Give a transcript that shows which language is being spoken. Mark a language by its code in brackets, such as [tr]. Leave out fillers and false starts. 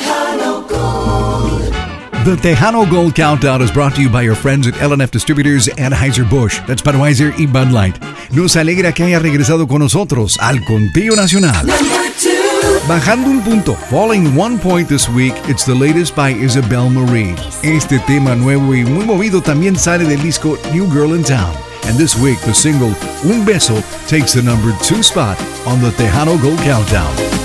[en] The Tejano Gold Countdown is brought to you by your friends at L&F Distributors and Anheuser-Busch. That's Budweiser y Bud Light. [es] Nos alegra que haya regresado con nosotros al Contigo Nacional. Bajando un punto, [en] falling one point this week, it's the latest by Isabel Marie. [es] Este tema nuevo y muy movido también sale del disco New Girl in Town. [en] And this week, the single Un Beso takes the number two spot on the Tejano Gold Countdown.